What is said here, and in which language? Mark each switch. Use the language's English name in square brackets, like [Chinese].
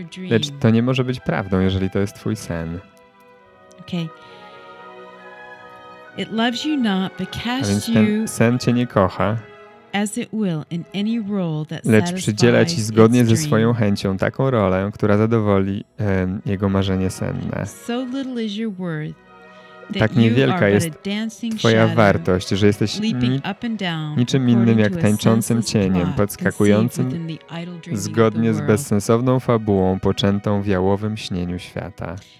[Polish] Lecz to nie może być prawdą, jeżeli to jest twój sen. [English] Okay. It loves you not, but casts [Polish] you. A więc ten sen cię nie kocha. [English] As it will in any role that [Polish] lecz przydziela ci zgodnie ze swoją chęcią taką rolę, która zadowoli jego marzenie senne. [English] So little is your worth. [Polish] Tak niewielka jest twoja wartość, że jesteś niczym innym jak tańczącym cieniem, podskakującym zgodnie z bezsensowną fabułą poczętą w jałowym śnieniu świata.